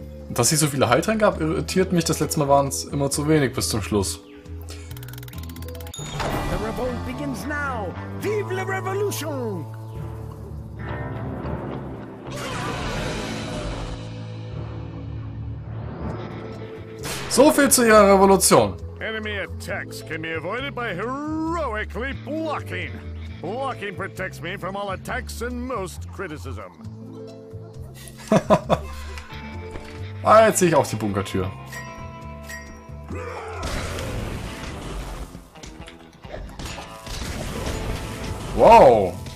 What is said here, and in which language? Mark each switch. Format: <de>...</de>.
<de>Dass ich so viele Heiltränke habe, irritiert mich. Das letzte Mal waren es immer zu wenig bis zum Schluss.</de> <en>The revolt begins now.</en> <fr>Vive la revolution!</fr> <de>So viel zu ihrer Revolution.</de> <en>Enemy attacks can be avoided by heroically blocking. Blocking protects me from all attacks and most criticism.</en> <de>Ah, jetzt sehe ich auch die Bunkertür. Wow.</de>